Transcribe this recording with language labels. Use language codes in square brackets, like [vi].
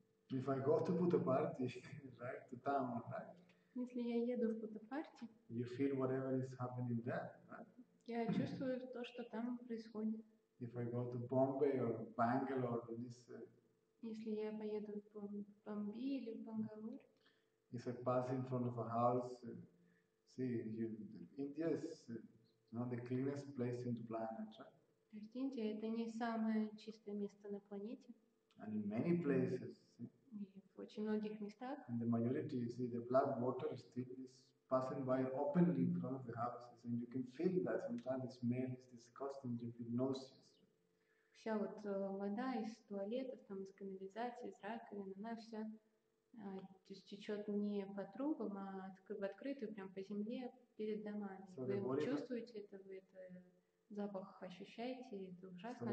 [en] If I go to Buddha party, right, to Tama, right? [ru] Если я еду в Buddha party, [en] you feel whatever is happening there, right? [ru] Я чувствую то, что там происходит. [en] If I go to Bombay or Bangalore, or this, [ru] если я поеду в Бомби или в Бангалор, [en] if I pass in front of a house, see, India is not the cleanest place in the planet, right? [ru] Индия это не самое чистое место на планете. [en] And in many places, [ru] в очень многих местах. [en] In the majority, you see the black water still is passing by openly in front of the houses, and you can feel that sometimes the smell is disgusting, you feel nauseous. [ru] Вся вот вода из туалетов, там из канализации, из раковин, она вся течет не по трубам, а в открытую, прям по земле перед домами. [en] So [ru] вы чувствуете это, вы это запах ощущаете, это ужасно.